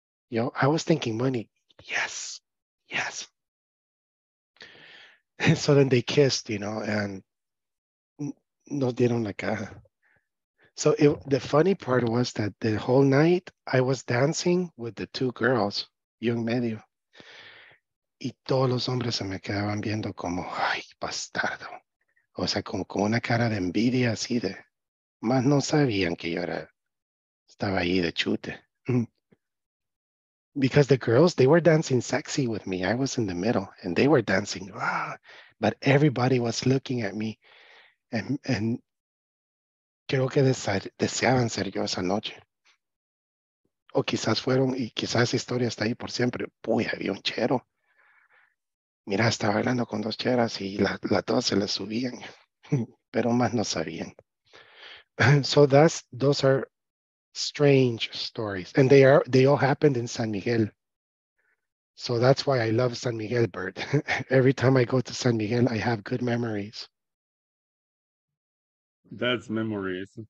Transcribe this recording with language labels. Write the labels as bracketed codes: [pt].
[en] You know, I was thinking money. Yes, yes. And so then they kissed, you know, and [es] nos dieron la caja. [en] So the funny part was that the whole night I was dancing with the two girls, [es] yo en medio. Y todos los hombres se me quedaban viendo como, ay, bastardo. O sea, como con una cara de envidia así de. Más no sabían que yo era, estaba ahí de chute. [en] Because the girls, they were dancing sexy with me. I was in the middle and they were dancing. Ah, but everybody was looking at me. And [es] creo que deseaban ser yo esa noche. O quizás fueron, y quizás esa historia está ahí por siempre. Uy, había un chero. Mira, estaba hablando con dos cheras y la todas se les subían. Pero más no sabían. [en] So those are strange stories, and they all happened in San Miguel. So that's why I love San Miguel, Bert. Every time I go to San Miguel, I have good memories. That's memories.